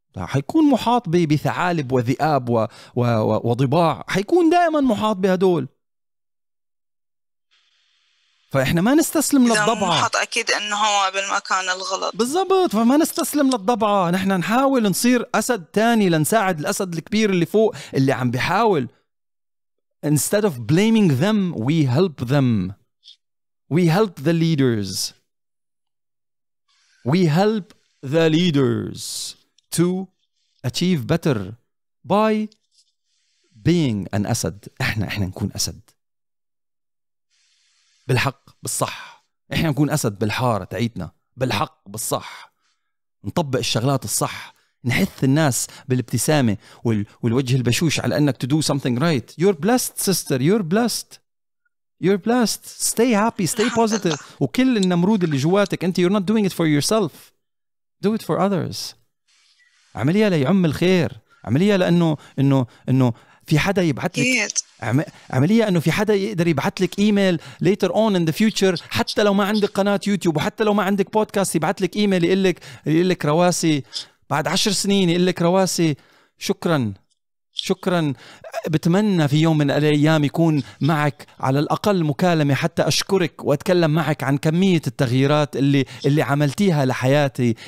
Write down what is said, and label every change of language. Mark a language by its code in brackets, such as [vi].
[ar] حيكون محاط بثعالب وذئاب وضباع، حيكون دائما محاط بهدول. فإحنا ما نستسلم للضبعة، محط أكيد أنه هو بالمكان الغلط بالضبط. فما نستسلم للضبعة، نحن نحاول نصير أسد تاني لنساعد الأسد الكبير اللي فوق اللي عم بحاول. [en] Instead of blaming them we help them, we help the leaders, we help the leaders to achieve better by being an أسد. [ar] إحنا نكون أسد بالحق بالصح، إحنا نكون أسد بالحارة تعيتنا بالحق بالصح، نطبق الشغلات الصح، نحث الناس بالابتسامة والوجه البشوش على أنك [en] to do something right. You're blessed sister, you're blessed, stay happy, stay positive. [ar] وكل النمرود اللي جواتك أنت [en] you're not doing it for yourself, do it for others. [ar] عمليها ليعم الخير، عمليها لأنه إنه إنه في حدا يبعث لك، عملية أنه في حدا يقدر يبعث لك إيميل [en] later on in the future، [ar] حتى لو ما عندك قناة يوتيوب وحتى لو ما عندك بودكاست، يبعث لك إيميل يقول لك رواسي بعد 10 سنين، يقول لك رواسي شكرا، بتمنى في يوم من الأيام يكون معك على الأقل مكالمة حتى أشكرك وأتكلم معك عن كمية التغييرات اللي عملتيها لحياتي.